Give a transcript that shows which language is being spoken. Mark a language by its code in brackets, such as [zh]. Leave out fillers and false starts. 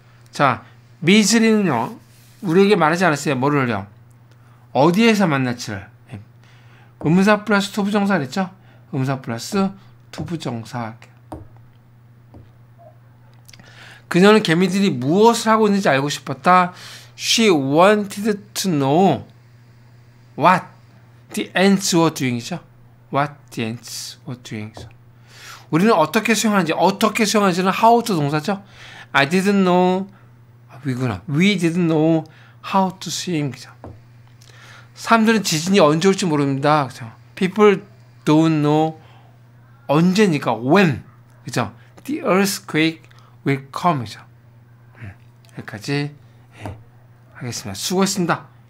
[ko] 자, 미즈리는요, 우리에게 말하지 않았어요. 뭐를요? 어디에서 만났지를. 음사 플러스 투부 정사 그랬죠? 음사 플러스 투부 정사. 그녀는 개미들이 무엇을 하고 있는지 알고 싶었다. [en] She wanted to know what the ants were doing이죠. What the ants were doing. [ko] 우리는 어떻게 수용하는지, 어떻게 수용하는지는 how to 동사죠. [en] I didn't know. We didn't know how to swim. [ko] 그죠? 사람들은 지진이 언제 올지 모릅니다. 그죠? [en] People don't know [ko] 언제니까 [en] when. [ko] 그죠? [en] The earthquake will come. [ko] 그죠? 여기까지 하겠습니다. 수고했습니다.